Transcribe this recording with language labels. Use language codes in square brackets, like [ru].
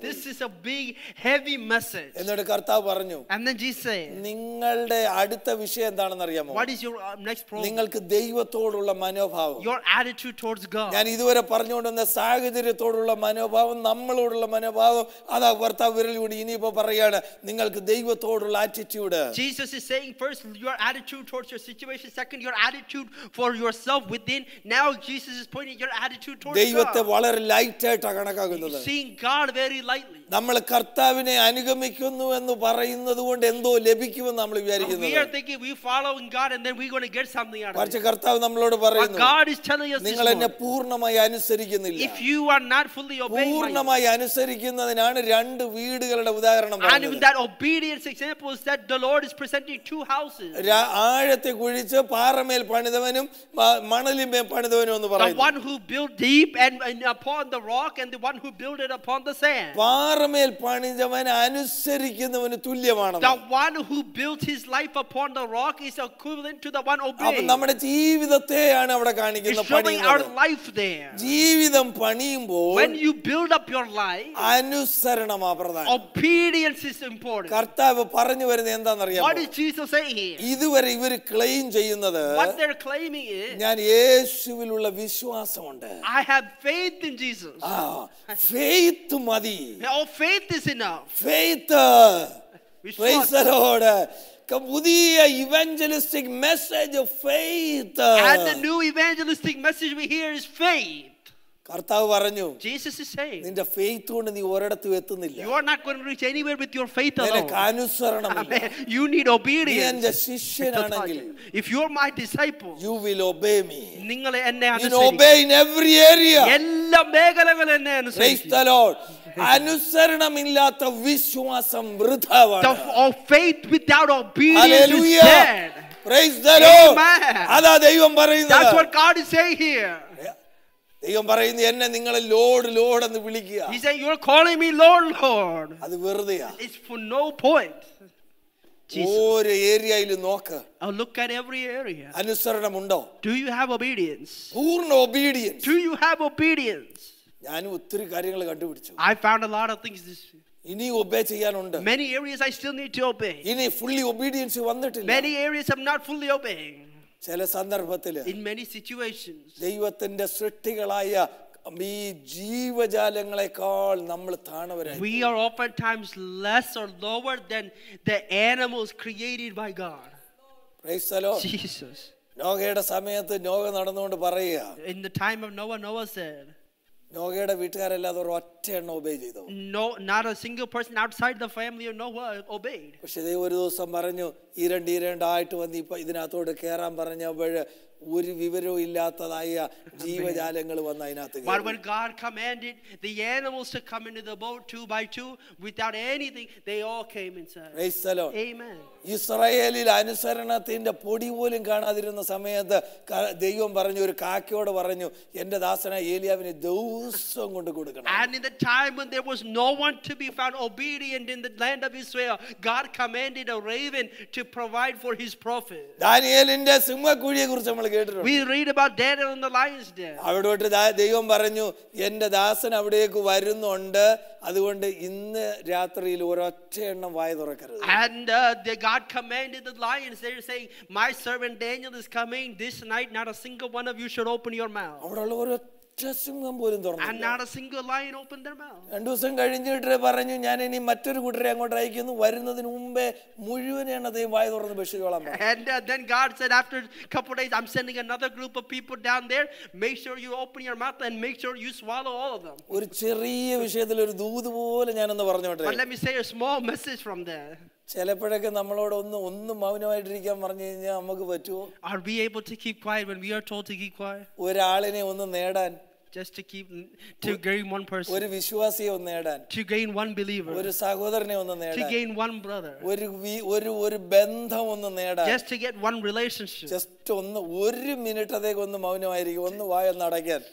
[en] This is a big heavy message. [ml] എന്നോട് കർത്താവ് പറഞ്ഞു. [en] And then Jesus said, [ml] നിങ്ങളുടെ അടുത്ത വിഷയം എന്താണെന്ന് അറിയാമോ? [en] What is your next problem? [ml] നിങ്ങൾക്ക് ദൈവത്തോടുള്ള മനോഭാവം. [en] Your attitude towards God. [ml] ഞാൻ ഇതുവരെ പറഞ്ഞുകൊണ്ടിരുന്ന സാഹചര്യത്തോടുള്ള മനോഭാവം, നമ്മളോടുള്ള മനോഭാവം, അതാ കർത്താവ് വിരലിലൂടെ ഇനിയിപ്പോ പറയുകയാണ്, നിങ്ങൾക്ക് ദൈവത്തോടുള്ള attitude. [en] Jesus is saying first your attitude towards your situation, second your attitude for yourself within. Now Jesus is pointing your attitude towards [ml] ദൈവത്തെ വളരെ ലൈറ്റ് ആയിട്ട് [en] seeing God very lightly. [ml] നമ്മൾ കർത്താവിനെ അനുഗമിക്കുന്നു എന്ന് പറയുന്നത് കൊണ്ട് എന്തോ ലഭിക്കുമെന്ന് നമ്മൾ വിചാരിക്കുന്നു. കർത്താവ് നമ്മളോട് പറയുന്നു, നിങ്ങൾ എന്നെ പൂർണ്ണമായി അനുസരിക്കുന്നില്ല. പൂർണ്ണമായി അനുസരിക്കുന്നതിനാണ് രണ്ട് വീടുകളുടെ ഉദാഹരണം പറഞ്ഞത്. ആഴത്തെ കുഴിച്ച് പാറമേൽ പണിതവനും മണലിന്മേൽ പണിതവനും എന്ന് പറയുന്നു. പാറമേൽ പണിതവൻ അനുസരിക്കുന്നവന് തുല്യമാണ്. [en] The one who built his life upon the rock is equivalent to the one obeying. [ml] അപ്പോൾ നമ്മുടെ ജീവിതത്തെയാണ് അവിടെ കാണിക്കുന്ന പണി. [en] It's showing our life there. [ml] ജീവിതം പണിയുമ്പോൾ, [en] when you build up your life, [ml] അനുസരണം പ്രധാനം. [en] Obedience is important. [ml] കർത്താവ് പറഞ്ഞു വരുന്നത് എന്താണെന്നറിയാമോ? [en] What is Jesus saying here? [ml] ഇതുവരെ ഇവർ ക്ലെയിം ചെയ്യുന്നത്, [en] what they're claiming is, [ml] ഞാൻ യേശുവിലുള്ള വിശ്വാസമുണ്ട്. [en] I have faith in Jesus. [ml] Faith മതി. [en] Oh, faith is enough. Faith. Praise the Lord. [ml] പുതിയ evangelistic message faith. [en] And the new evangelistic message we hear is faith. [ml] കർത്താവ് പറഞ്ഞു, [en] Jesus is saying, [ml] നിന്റെ faith കൊണ്ട് നീ ഒരിടത്തും എത്തുന്നില്ല. [en] You are not going to reach anywhere with your faith alone. [ml] നിനക്ക് അനുസരണം. [en] You need obedience. [ml] എന്റെ ശിഷ്യനാണെങ്കിൽ, [en] if you are my disciple, you will obey me. [ml] നിങ്ങൾ എന്നെ അനുസരിക്കും. [en] You obey in every area. [ml] എല്ലാ മേഖലകളിലും എന്നെ അനുസരിക്കും. [en] Praise the Lord. [ml] അനുസരണമില്ലാത്ത വിശ്വാസം വൃഥാവാണ്. [en] Praise the Lord. [ml] അതാ ദൈവം പറയുന്നത്. [en] That's what God is saying here. [ml] ദൈവം പറയുന്നു, എന്നെ നിങ്ങൾ ലോർഡ് ലോർഡ് എന്ന് വിളിക്കുക. [en] He said, you're calling me Lord, Lord. [ml] അത് വെറുതെയാ. [en] It's for no point. [ml] ഓരോ ഏരിയയിലും നോക്ക്. [en] I'll look at every area. [ml] അനുസരണമുണ്ടോ? [en] Do you have obedience? [ml] പൂർണ്ണ obedience. [en] Do you have obedience? [ml] ഞാനും ഒത്തിരി കാര്യങ്ങൾ കണ്ടുപിടിച്ചു. [en] I found a lot of things this year. [ml] ഇനി ഒബേ ചെയ്യാനുണ്ട്. [en] Many areas I still need to obey. [ml] ഇനി ഫുള്ളി ഒബീഡിയൻസ് വന്നിട്ടില്ല. [en] Many areas I'm not fully obeying. [ml] ചില സന്ദർഭത്തിൽ, [en] in many situations, [ml] ദൈവത്തിന്റെ സൃഷ്ടികളായ ഈ ജീവജാലങ്ങളെക്കാൾ നമ്മൾ താണവരായി. [en] We are often times less or lower than the animals created by God. Praise the Lord. Jesus. [ml] നോഹയുടെ സമയത്ത് നോഹ നടന്നുകൊണ്ട് പറയുക, [en] in the time of Noah, Noah said, [ml] നോഹയുടെ വീട്ടുകാരെല്ലാം ഒരു ഒറ്റ എണ്ണ ഒബേ ചെയ്തു. [en] No, not a single person outside the family of Noah obeyed. [ml] പക്ഷേ ദൈവം ഒരു ദിവസം പറഞ്ഞു, ഈ രണ്ടായിട്ട് വന്ന് ഇപ്പൊ ഇതിനകത്തോട് കയറാൻ പറഞ്ഞപ്പോൾ ഒരു വിവരവും ഇല്ലാത്തതായ ജീവജാലങ്ങൾ വന്ന് അതിനകത്ത്. [en] But when God commanded the animals to come into the boat two by two without anything, they all came inside. Praise the Lord. Amen. [ml] ഇസ്രായേലിൽ അനുസരണത്തിന്റെ പൊടി പോലും കാണാതിരുന്ന സമയത്ത് ദൈവം പറഞ്ഞു, ഒരു കാക്കയോട് പറഞ്ഞു, എന്റെ ദാസന ഏലിയാവിനെ ദിവസവും കൊണ്ട് കൊടുക്കണം. [en] And in the time when there was no one to be found obedient in the land of Israel, God commanded a raven to provide for his prophet. [ml] ദാനിയേലിന്റെ സിംഹക്കുഴിയെ കുറിച്ച് നമ്മൾ കേട്ടിട്ടുണ്ട്. [en] We read about Daniel in the lion's den. [ml] അവിടെ വെച്ച് ദൈവം പറഞ്ഞു, എൻ്റെ ദാസൻ അവിടേക്ക് വരുന്നുണ്ട്, അതുകൊണ്ട് ഇന്ന് രാത്രിയിൽ ഒരൊറ്റ എണ്ണം വായ തുറക്കരുത്. [en] And God commanded the lions, they're saying, my servant Daniel is coming this night, not a single one of you should open your mouth. [ml] അവിടെ ഉള്ള ഒരു ചെസിംഗം പോലും തുറന്നില്ല. [en] And not a single lion opened their mouth. [ml] രണ്ടു ദിവസം കഴിഞ്ഞിട്ട് പറഞ്ഞു, ഞാൻ ഇനി മറ്റൊരു കൂട്ടരെ അങ്ങോട്ട് അയക്കുന്നു, വരുന്നതിന് മുമ്പേ മുഴുവൻ എണ്ണത്തെയും വായ തുറന്ന് ഭക്ഷിച്ചോളാം. [en] And then God said, after a couple of days, I'm sending another group of people down there. Make sure you open your mouth and make sure you swallow all of them. [ml] ഒരു ചെറിയ വിഷയത്തിൽ ഒരു ദൂത് പോലെ ഞാൻ എന്ന് പറഞ്ഞു. [en] But let me say a small message from there. [ml] ചിലപ്പോഴൊക്കെ നമ്മളോട് ഒന്നും മൗനമായിട്ടിരിക്കാൻ പറഞ്ഞു കഴിഞ്ഞാൽ നമുക്ക് പറ്റുമോ? [en] Are we able to keep quiet when we are told to keep quiet? [ml] ഒരാളിനെ ഒന്ന് നേടാൻ, [en] just to gain one person, [ml] ഒരു വിശ്വാസിയെ ഒന്ന് നേടാൻ, [en] to gain one believer, [ml] ഒരു സഹോദരനെ ഒന്ന് നേടാൻ, [en] to gain one brother, [ml] ഒരു ബന്ധം ഒന്ന് നേടാൻ, [en] just to get one relationship, [ml] just ഒരു മിനിറ്റത്തേക്ക് ഒന്ന് മൗനമായിരിക്കുക, ഒന്ന് വായ ഒന്ന് അടയ്ക്കാൻ,